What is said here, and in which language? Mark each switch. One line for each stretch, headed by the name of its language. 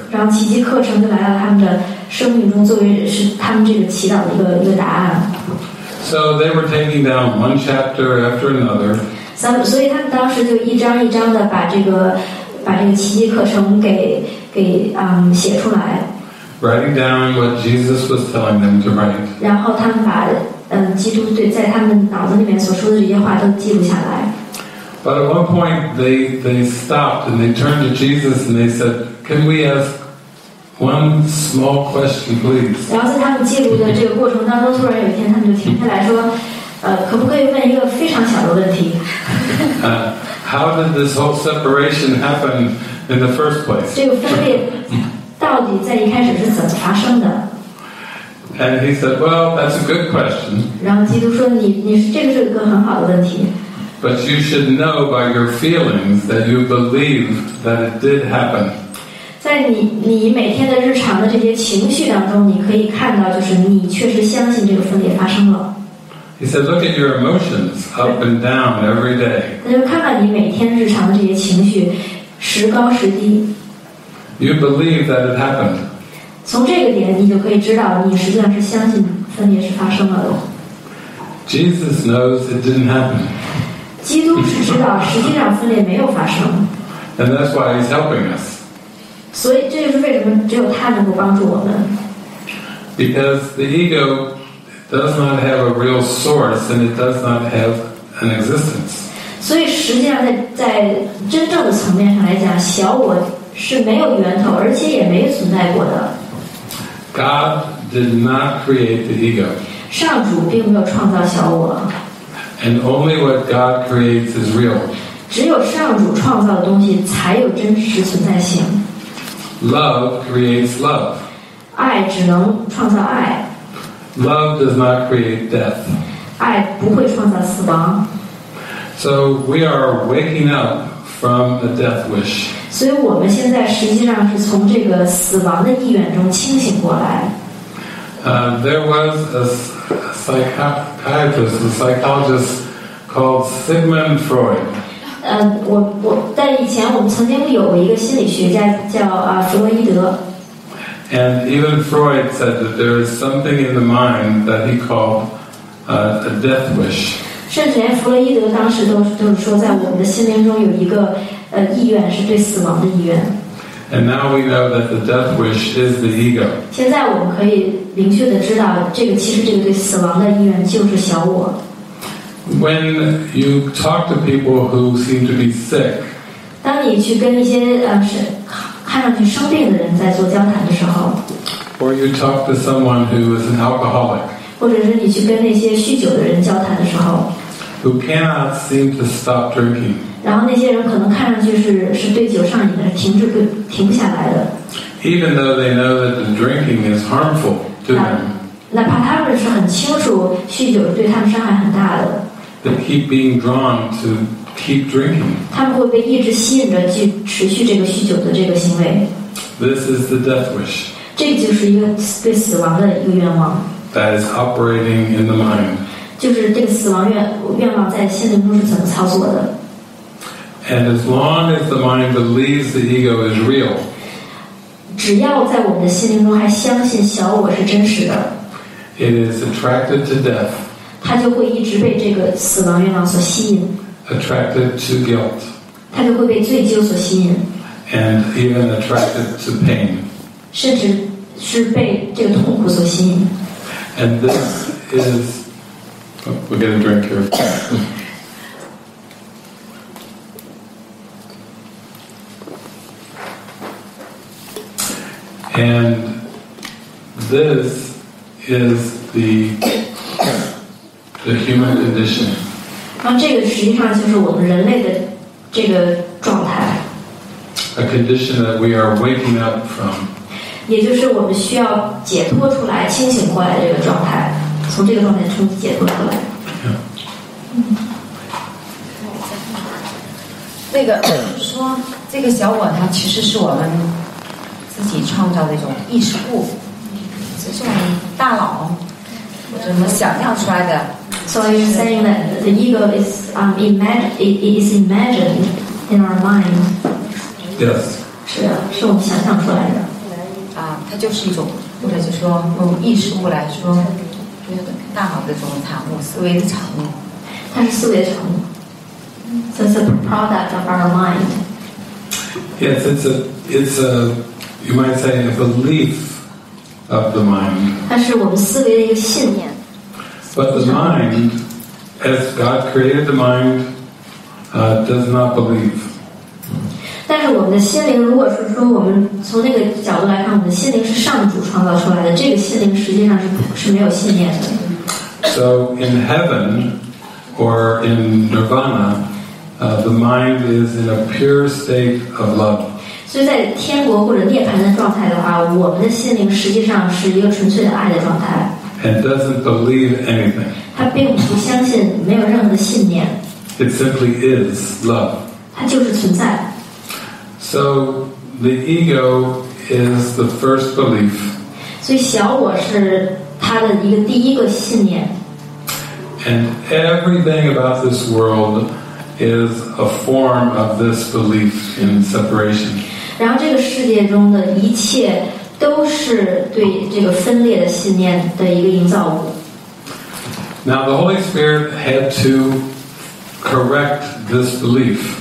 Chinese: 然后奇迹课程就来到他们的生命中作为是他们这个祈祷的一个答案。
English: So they were taking down one chapter after another.
Chinese: 所以他们当时就一张一张的把这个奇迹课程给写出来。
English: Writing down what Jesus was telling them to write.
Chinese: 然后他们把基督对在他们脑子里面所说的这些话都记录下来。
English: But at one point they stopped and they turned to Jesus and they said, "Can we ask one small question, please?"
Chinese: 然后在他们记录的这个过程当中，突然有一天他们就停下来说，可不可以问一个非常小的问题？
English: How did this whole separation happen in the first place?
Chinese: 这个分裂到底在一开始是怎么发生的？
English: And he said, "Well, that's a good question."
Chinese: 然后基督说，你这个是一个很好的问题。
English: But you should know by your feelings that you believe that it did happen.
Chinese: 在你每天的日常的这些情绪当中，你可以看到，就是你确实相信这个分裂发生了。
English: He said, "Look at your emotions up and down every day."
Chinese: 那就看看你每天日常的这些情绪，时高时低。
English: You believe that it happened.
Chinese: 从这个点，你就可以知道，你实际上是相信分裂是发生了的。
English: Jesus knows it didn't happen.
Chinese: 基督只知道，实际上分裂没有发生。
English: And that's why he's helping us.
Chinese: 所以这就是为什么只有他能够帮助我们。
English: Because the ego does not have a real source and it does not have an existence.
Chinese: 所以实际上在真正的层面上来讲，小我是没有源头，而且也没有存在过的。
English: God did not create the ego.
Chinese: 上主并没有创造小我。
English: And only what God creates is real.
Chinese: 只有上主创造的东西才有真实存在性。
English: Love creates love.
Chinese: 爱只能创造爱。
English: Love does not create death.
Chinese: 爱不会创造死亡。
English: So we are waking up from a death wish.
Chinese: 所以我们现在实际上是从这个死亡的意愿中清醒过来。
English: There was a psychologist called Sigmund Freud.
Chinese: 但以前我们曾经有一个心理学家叫弗洛伊德。
English: And even Freud said that there is something in the mind that he called a death wish.
Chinese: 甚至连弗洛伊德当时都就是说，在我们的心灵中有一个意愿是对死亡的意愿。
English: And now we know that the death wish is the ego.
Chinese: 现在我们可以明确的知道，这个其实这个对死亡的意愿就是小我。
English: When you talk to people who seem to be sick,
Chinese: 当你去跟一些是看上去生病的人在做交谈的时候，
English: or you talk to someone who is an alcoholic,
Chinese: 或者是你去跟那些酗酒的人交谈的时候，
English: who cannot seem to stop drinking.
Chinese: 然后那些人可能看上去是对酒上瘾的，停不下来的。
English: Even though they know that the drinking is harmful to them,
Chinese: 哪怕他们是很清楚酗酒对他们伤害很大的。
English: They keep being drawn to keep drinking.
Chinese: 他们会被一直吸引着去持续这个酗酒的这个行为。
English: This is the death wish.
Chinese: 这就是一个对死亡的一个愿望。
English: That is operating in the mind.
Chinese: 就是这个死亡愿望在心灵中是怎么操作的。
English: And as long as the mind believes the ego is real,
Chinese: 只要在我们的心灵中还相信小我是真实的，
English: it is attracted to death.
Chinese: 它就会一直被这个死亡愿望所吸引。
English: Attracted to guilt.
Chinese: 它就会被罪疚所吸引。
English: And even attracted to pain.
Chinese: 甚至是被这个痛苦所吸引。
English: And this is, oh, we're getting a drink here. And this is the the human condition.
Chinese: 那这个实际上就是我们人类的这个状态。
English: A condition that we are waking up from.
Chinese: 也就是我们需要解脱出来、清醒过来这个状态，从这个状态中解脱出来。那个就是说，这个小我它其实是我们自己创造的一种意识部，这是我们大脑或者我们想象出来的。
English: So you're saying that the ego is imagined in our mind. Yes.
Chinese: 是的，是我们想象出来的。啊，它就是一种，或者就是说用意识部来说，大脑的这种产物，思维的产物。它是思维的产物。
English: So it's a product of our mind. Yes, it's a, you might say, a belief of the mind.
Chinese: 它是我们思维的一个信念。
English: But the mind, as God created the mind, does not believe.
Chinese: 但是我们的心灵，如果是说我们从那个角度来看，我们的心灵是上主创造出来的，这个心灵实际上是没有信念的。
English: So in heaven, or in nirvana, the mind is in a pure state of love.
Chinese: 所以在天国或者涅槃的状态的话，我们的心灵实际上是一个纯粹的爱的状态。
English: And doesn't believe anything.
Chinese: 他并不相信，没有任何的信念。
English: It simply is love.
Chinese: 它就是存在。
English: So the ego is the first belief.
Chinese: 所以小我是他的一个第一个信念。
English: And everything about this world is a form of this belief in separation.
Chinese: 然后这个世界中的一切都是对这个分裂的信念的一个营造物。
English: Now the Holy Spirit had to correct this belief.